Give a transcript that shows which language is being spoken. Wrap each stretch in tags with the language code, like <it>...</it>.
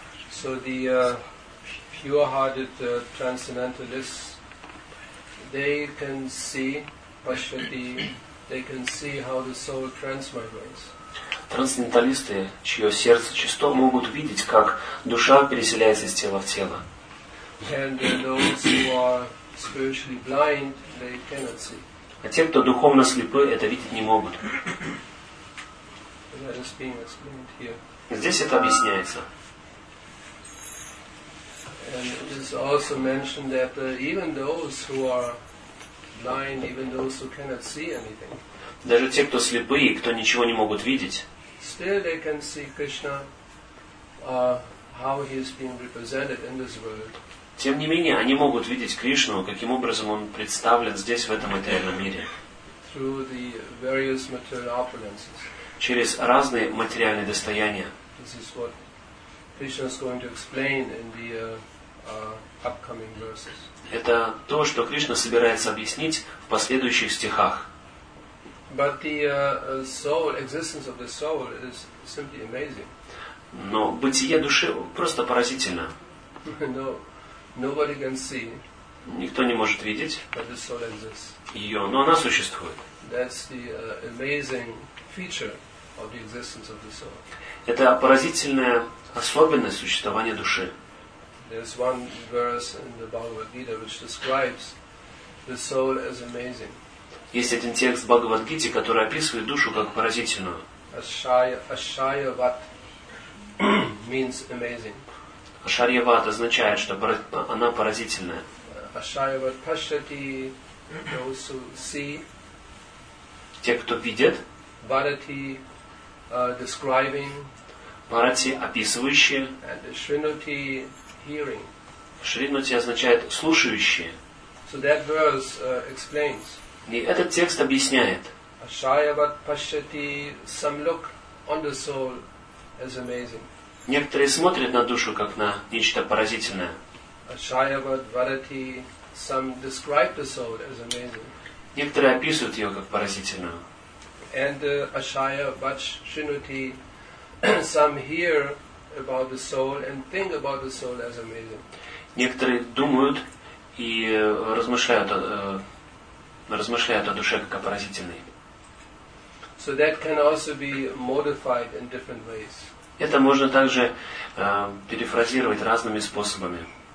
<en>So the pure-hearted transcendentalists, they can see Pashyati, they can see how the soul transmigrates.</en> <ru>Трансценденталисты, чье сердце чисто, могут видеть, как душа переселяется из тела в тело.</ru> <en>And those who are spiritually blind, they cannot see.</en> <ru>А те, кто духовно слепы, это видеть не могут.</ru> <en>That is being explained here.</en> <ru>Здесь это объясняется.</ru> <en>And it is also mentioned that even those who are blind, even those who cannot see anything,</en> <ru>даже те, кто слепы и кто ничего не могут видеть,</ru> <en>still they can see Krishna, how he is being represented in this world.</en> <ru>Тем не менее, они могут видеть Кришну, каким образом он представлен здесь, в этом материальном мире.</ru> <en>Through the various material opulences.</en> <ru>Через разные материальные достояния.</ru> <en>This is what Krishna is going to explain in the upcoming verses.</en> <ru>Это то, что Кришна собирается объяснить в последующих стихах.</ru> <en>But the soul, existence of the soul is simply amazing.</en> <ru>Но бытие души просто поразительно.</ru> <en>No, nobody can see.</en> <ru>Никто не может видеть.</ru> <en>But the soul exists.</en> <ru>Ее, но она существует.</ru> <en>That's the amazing feature of the existence of the soul.</en> <ru>Это поразительная особенность существования души.</ru> <en>There's one verse in the Bhagavad Gita which describes the soul as amazing.</en> <ru>Есть один текст в Бхагавад Гите, который описывает душу как поразительную.</ru> <en>Ашайават means amazing.</en> <ru>Ашарьяват означает, что она поразительная.</ru> <sa>Ашайават пашати,</sa> <en>those who see.</en> <ru>те, кто видят,</ru> <en>Bharati, describing,</en> <ru>Bharati описывающие,</ru> <en>and Shrinuti hearing.</en> <ru>Shrinuti означает слушающие.</ru> <en>So that verse, explains.</en> <ru>И этот текст объясняет.</ru> <en>Ashayavat paschati samluk on the soul is amazing.</en> <ru>Некоторые смотрят на душу как на нечто поразительное.</ru> <en>Ashayavat varati, some describe the soul as amazing.</en> <ru>Некоторые описывают ее как поразительную.</ru> <en>And Ashayavat shrinuti, some hear about the soul and think about the soul as amazing.</en> <ru>Некоторые думают и размышляют о душе как о поразительной.</ru> <en>So that can also be modified in different ways.</en> <ru>Это можно также перефразировать разными способами.</ru>